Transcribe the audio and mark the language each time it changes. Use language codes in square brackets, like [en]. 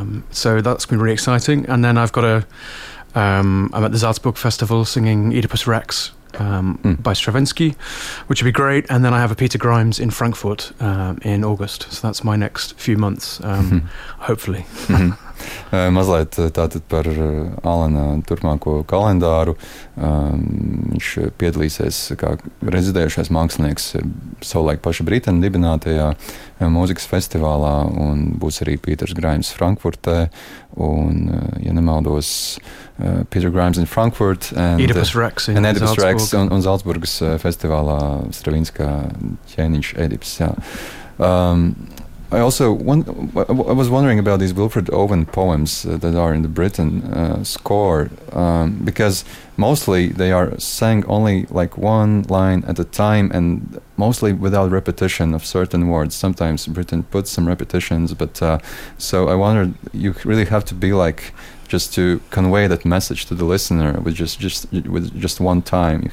[en] So that's been really exciting. And then I've got I'm at the Salzburg Festival singing Oedipus Rex by Stravinsky, which would be great. And then I have a Peter Grimes in Frankfurt in August. So that's my next few months, hopefully. [lv] Mazliet tātad par Alena turpmāko kalendāru. Viņš piedalīsies kā rezidējušais mākslinieks savulaik paša Britena dibinātajā mūzikas festivālā, un būs arī Peters Grimes Frankfurtē, un, ja nemaldos, [en] Peter Grimes in Frankfurt and Oedipus Rex [lv] un Salzburgas festivālā Stravinskā ķēniņš Oedipus, jā. [en] I was wondering about these Wilfred Owen poems that are in the Britten score, because mostly they are sang only like one line at a time and mostly without repetition of certain words. Sometimes Britten puts some repetitions, but so I wondered, you really have to be like, just to convey that message to the listener with just one time.